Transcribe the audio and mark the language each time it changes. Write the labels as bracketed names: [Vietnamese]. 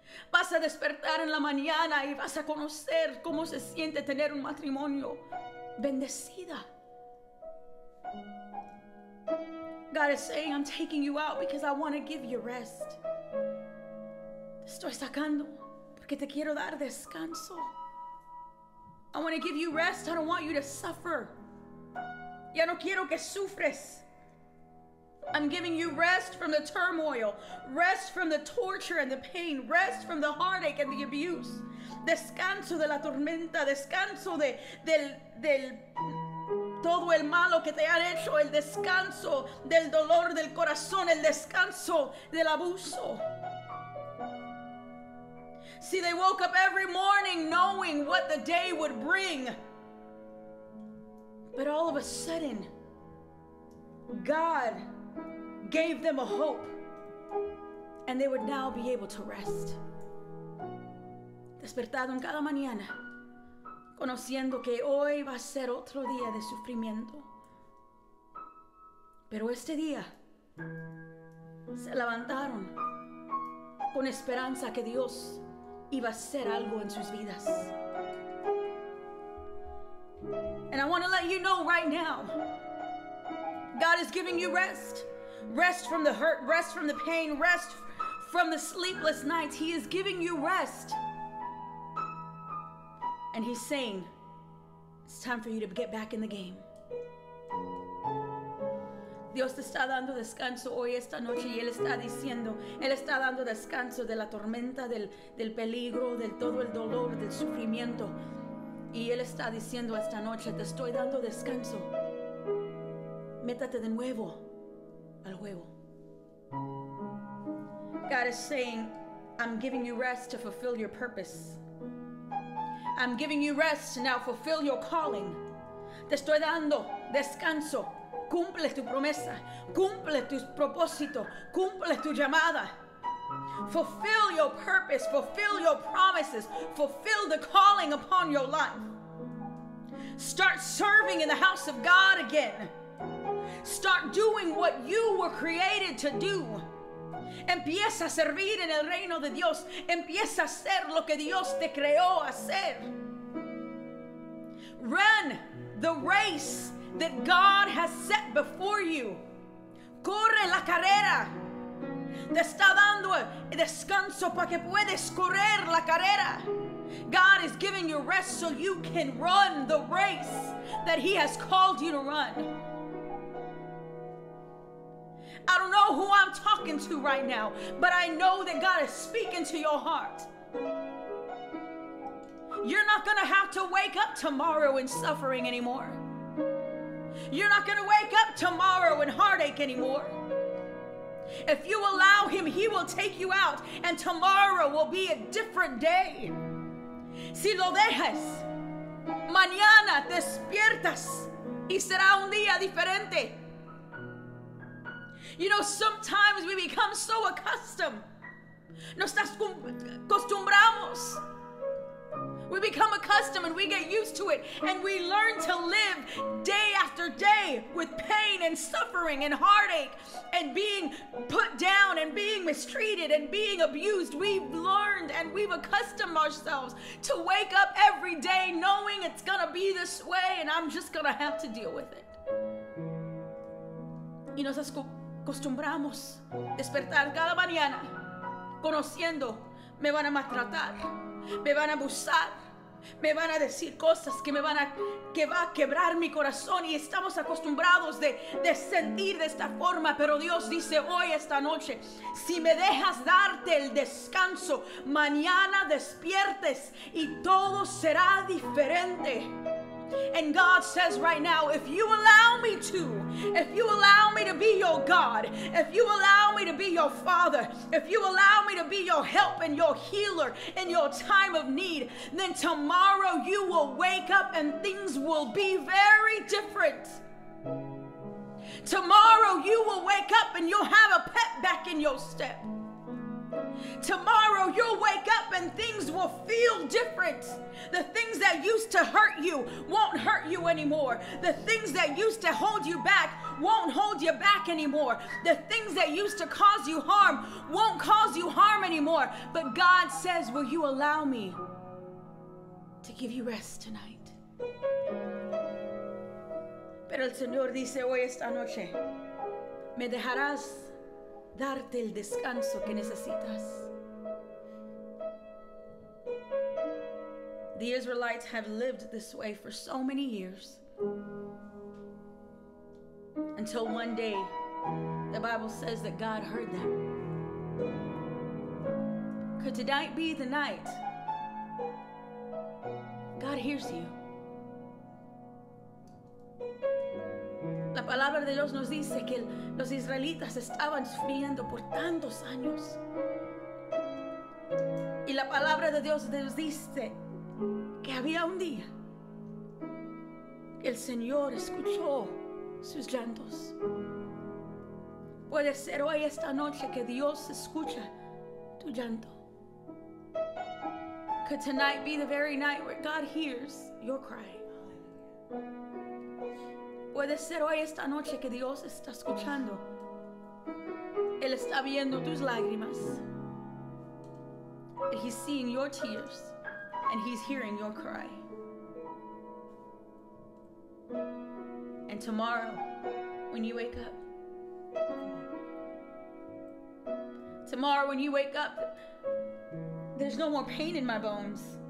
[Spanish] Vas a despertar en la mañana y vas a conocer cómo se siente tener un matrimonio bendecida. [English] God is saying, I'm taking you out because I want to give you rest. [Spanish] Te estoy sacando que te quiero dar descanso. [English] I want to give you rest. I don't want you to suffer. [Spanish] Ya no quiero que sufres. [English] I'm giving you rest from the turmoil, rest from the torture and the pain, rest from the heartache and the abuse. [Spanish] Descanso de la tormenta, descanso del todo el malo que te han hecho, el descanso del dolor del corazón, el descanso del abuso. [English] See, they woke up every morning knowing what the day would bring. But all of a sudden, God gave them a hope, and they would now be able to rest. [Spanish] Despertaron cada mañana, conociendo que hoy va a ser otro día de sufrimiento. Pero este día, se levantaron con esperanza que Dios iba a hacer algo en sus vidas. [English] And I want to let you know right now, God is giving you rest. Rest from the hurt, rest from the pain, rest from the sleepless nights. He is giving you rest. And he's saying, it's time for you to get back in the game. [Spanish] Dios te está dando descanso hoy, esta noche, y Él está diciendo, Él está dando descanso de la tormenta, del peligro, del todo el dolor, del sufrimiento. Y Él está diciendo esta noche, te estoy dando descanso. Métate de nuevo al juego. [English] God is saying, I'm giving you rest to fulfill your purpose. I'm giving you rest to now fulfill your calling. [Spanish] Te estoy dando descanso. Cumple tu promesa, cumple tu propósito, cumple tu llamada. [English] Fulfill your purpose, fulfill your promises, fulfill the calling upon your life. Start serving in the house of God again. Start doing what you were created to do. [Spanish] Empieza a servir en el reino de Dios. Empieza a hacer lo que Dios te creó hacer. [English] Run the race that God has set before you. [Spanish] Corre la carrera. Te está dando descanso para que puedes correr la carrera. [English] God is giving you rest so you can run the race that he has called you to run. I don't know who I'm talking to right now, but I know that God is speaking to your heart. You're not gonna have to wake up tomorrow in suffering anymore. You're not going to wake up tomorrow in heartache anymore. If you allow him, he will take you out, and tomorrow will be a different day. [Spanish] Si lo dejas, mañana despiertas y será un día diferente. [English] You know, sometimes we become so accustomed. [Spanish] Nos acostumbramos. [English] We become accustomed and we get used to it, and we learn to live day after day with pain and suffering and heartache and being put down and being mistreated and being abused. We've learned and we've accustomed ourselves to wake up every day knowing it's gonna be this way and I'm just gonna have to deal with it. [Spanish] Y nos acostumbramos despertar cada mañana conociendo me van a maltratar, me van a abusar, me van a decir cosas que me van a, que va a quebrar mi corazón, y estamos acostumbrados de sentir de esta forma. Pero Dios dice hoy, esta noche, si me dejas darte el descanso, mañana despiertes y todo será diferente. [English] And God says right now, if you allow me to, if you allow me to be your God, if you allow me to be your Father, if you allow me to be your help and your healer in your time of need, then tomorrow you will wake up and things will be very different. Tomorrow you will wake up and you'll have a pep back in your step. Tomorrow you'll wake up and things will feel different. The things that used to hurt you won't hurt you anymore. The things that used to hold you back won't hold you back anymore. The things that used to cause you harm won't cause you harm anymore. But God says, will you allow me to give you rest tonight? [Spanish] Pero el Señor dice hoy, esta noche, me dejarás darte el descanso que necesitas. [English] The Israelites have lived this way for so many years, until one day the Bible says that God heard them. Could tonight be the night God hears you? [Spanish] La palabra de Dios nos dice que los israelitas estaban sufriendo por tantos años. Y la palabra de Dios nos dice que había un día que el Señor escuchó sus llantos. Puede ser hoy, esta noche, que Dios escucha tu llanto. [English] Could tonight be the very night where God hears your cry? [Spanish] Puede ser hoy, esta noche, que Dios está escuchando. Él está viendo tus lágrimas. [English] He's seeing your tears and he's hearing your cry. And tomorrow, when you wake up, tomorrow when you wake up, there's no more pain in my bones.